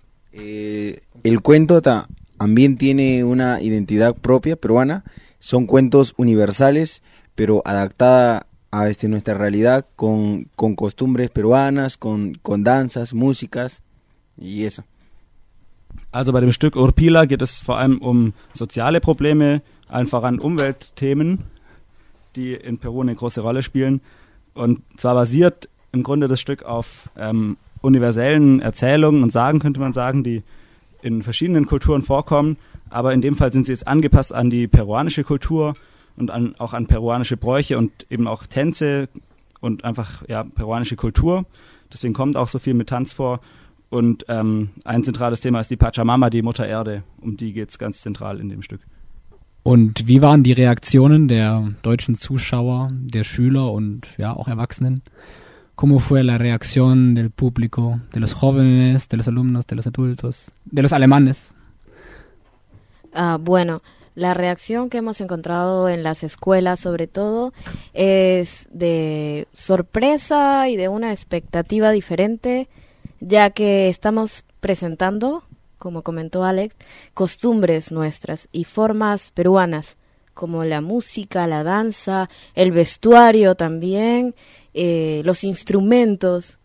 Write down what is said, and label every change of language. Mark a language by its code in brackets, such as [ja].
[es] El cuento también tiene una identidad propia peruana. Son cuentos universales, pero adaptada a nuestra realidad con costumbres peruanas, con danzas, músicas y eso. [de] Also bei dem Stück Urpila geht es vor allem um soziale Probleme, allen voran Umweltthemen, die in Peru eine große Rolle spielen. Und zwar basiert im Grunde das Stück auf universellen Erzählungen und Sagen, könnte man sagen, die in verschiedenen Kulturen vorkommen. Aber in dem Fall sind sie jetzt angepasst an die peruanische Kultur und auch an peruanische Bräuche und eben auch Tänze und einfach ja, peruanische Kultur. Deswegen kommt auch so viel mit Tanz vor. Und ein zentrales Thema ist die Pachamama, die Mutter Erde. Um die geht es ganz zentral in dem Stück. Und wie waren die Reaktionen der deutschen Zuschauer, der Schüler und ja auch Erwachsenen? [es] ¿Cómo fue la reacción del público, de los jóvenes, de los alumnos, de los adultos, de los alemanes? Bueno, la reacción que hemos encontrado en las escuelas, sobre todo, es de sorpresa y de una expectativa diferente, ya que estamos presentando, como comentó Alex, costumbres nuestras y formas peruanas, como la música, la danza, el vestuario también, los instrumentos.